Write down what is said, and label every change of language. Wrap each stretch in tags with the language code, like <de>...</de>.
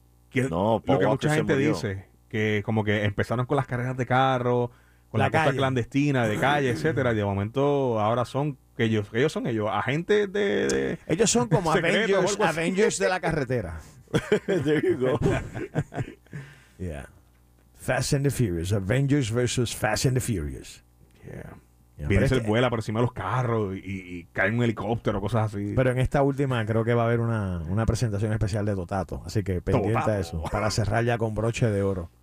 <es>Que no, lo que mucha gente dice, que como que empezaron con las carreras de carro, con la cosa clandestina de calle, etcétera, y de momento ahora son ellos son ellos, agentes de ellos son como secretos, Avengers de la carretera.</es> <en>There you go. Yeah. Fast and the Furious, Avengers versus Fast and the Furious. Yeah.</en> <es>Viene ese vuela por encima de los carros y cae un helicóptero, cosas así. Pero en esta última creo que va a haber una presentación especial de Totato, así que pendiente a eso, para cerrar ya con broche de oro.</es>